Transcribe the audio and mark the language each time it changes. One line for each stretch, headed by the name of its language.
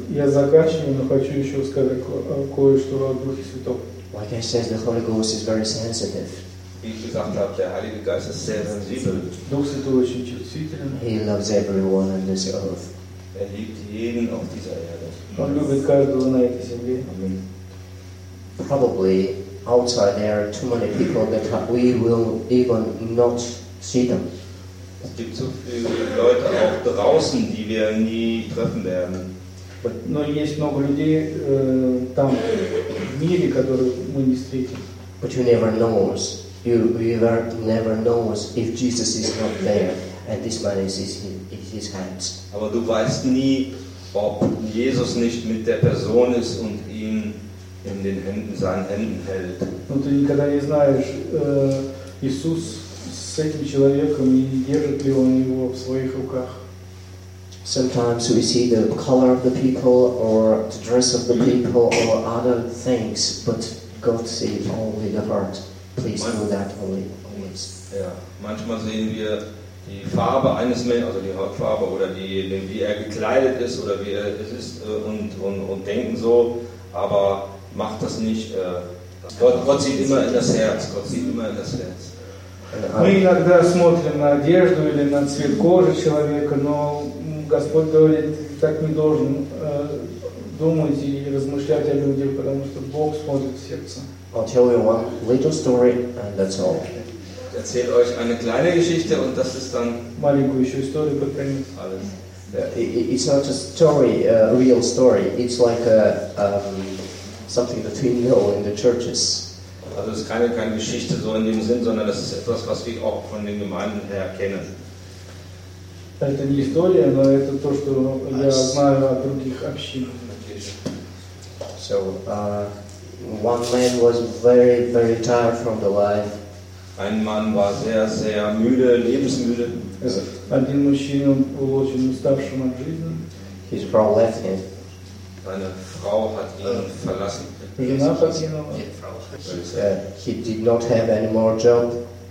Russian: Я заканчиваю, но хочу еще сказать кое-что о Духе Святом.
English: Like I said, the Holy Ghost is very sensitive.
German: Wie ich gesagt habe, der Heilige Geist ist sehr sensibel.
Russian: Дух Святой очень чувствителен.
English: He loves everyone on this earth.
German: Er liebt jeden auf dieser Erde.
Russian: Он любит каждого на этой земле.
English: Amen. Probably outside there are too many people that we will even not see them.
German: Es gibt so viele Leute auch draußen, die wir nie treffen werden.
Russian: Но есть много людей там в мире, которых мы не встретим.
English: But you never know us. You never know us if Jesus is not there and this man is in his hands.
German: Aber du weißt nie, ob Jesus nicht mit der Person ist und ihn in den Händen, seinen Händen hält. Und du
Russian: никогда не знаешь, Иисус с этим человеком и держит ли он его в своих руках.
English: Sometimes we see the color of the people or the dress of the people or other things, but God sees only the heart. Please know that only. Always.
German: Ja, manchmal sehen wir die Farbe eines Menschen, also die Hautfarbe oder wie er gekleidet ist oder wie er es ist und denken so, aber macht das nicht. Gott sieht immer in das Herz. Gott sieht immer in das Herz.
Russian: Мы иногда смотрим на одежду или на цвет кожи человека, но Господь говорит, так не должен думать и размышлять о людях, потому что Бог смотрит в сердце.
English: I'll tell you one little story and that's all.
German: Erzählt euch eine kleine Geschichte und das ist dann
Russian: маленькую еще историю подпримем.
German: Alles.
English: Yeah. It's not a story, a real story. It's like a something between you and the churches.
German: Also es ist keine Geschichte so in dem Sinn, sondern das ist etwas, was wir auch von den Gemeinden her kennen.
Russian: Это не история, но это то, что я знаю о других общинах.
English: So, one man was very, very tired from the life.
German: Ein Mann war sehr, sehr müde, lebensmüde.
Russian: Один мужчина был очень уставшим от жизни.
English: His Frau left him.
German: Seine Frau hat ihn verlassen.
English: He did not have any more job.